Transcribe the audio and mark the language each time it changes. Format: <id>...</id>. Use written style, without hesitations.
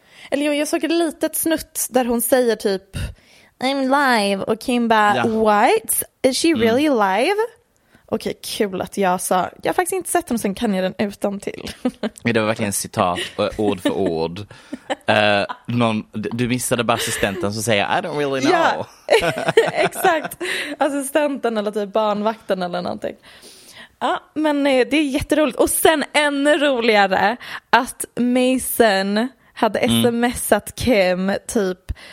<sv>Eller jag såg ett litet snutt där hon säger typ</sv> <en>I'm live,</en> <sv>och Kim bara</sv> <en>what? Is she really live?</en> <sv>Okej, kul att jag sa. Jag har faktiskt inte sett den, sen kan jag den utan till. Det var verkligen citat, ord för ord. Du missade bara assistenten som säger</sv> <en>I don't really know.</en> <sv>Ja, exakt. Assistenten eller typ barnvakten eller någonting. Ja, men det är jätteroligt. Och sen ännu roligare att Mason hade smsat Kim typ</sv>